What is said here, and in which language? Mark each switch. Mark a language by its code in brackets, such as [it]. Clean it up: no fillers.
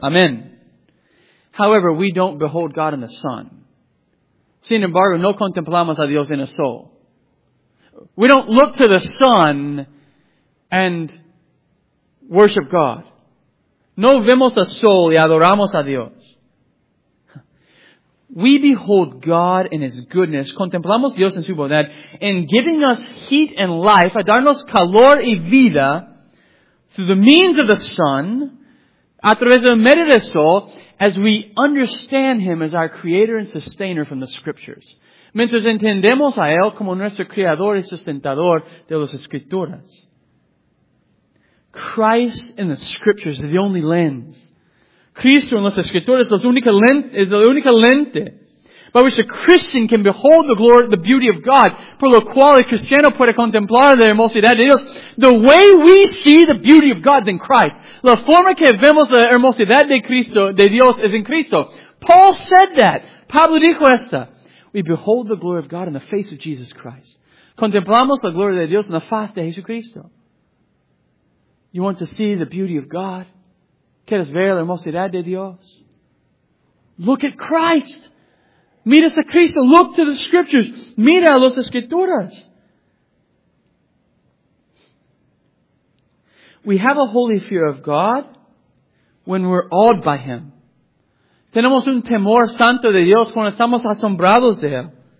[en] Amen. However, we don't behold God in the sun. [es] Sin embargo, no contemplamos a Dios en el sol. [en] We don't look to the sun and worship God. [es] No vemos al sol y adoramos a Dios. [en] We behold God in His goodness. [es] Contemplamos Dios en su bondad [en] in giving us heat and life, [es] a darnos calor y vida [en] through the means of the sun, [es] a través del medio del sol, [en] as we understand Him as our Creator and Sustainer from the Scriptures. [es] Mientras entendemos a Él como nuestro Creador y Sustentador de las Escrituras. [en] Christ in the Scriptures is the only lens. [es] Cristo en las Escrituras es la única lente [en] by which a Christian can behold the glory, the beauty of God, [es] por lo cual el cristiano puede contemplar la hermosidad de Dios. [en] The way we see the beauty of God is in Christ. [es] La forma que vemos la hermosidad de Cristo, de Dios, es en Cristo. [en] Paul said that. [es] Pablo dijo esta. [en] We behold the glory of God in the face of Jesus Christ. [es] Contemplamos la gloria de Dios en la faz de Jesucristo. [en] You want to see the beauty of God? [es] ¿Quieres ver la hermosidad de Dios? [en] Look at Christ. [es] Mira a Cristo. [en] Look to the Scriptures. [es] Mira a las Escrituras. [en] We have a holy fear of God when we're awed by Him. [es] Tenemos un temor santo de Dios cuando estamos asombrados de Él.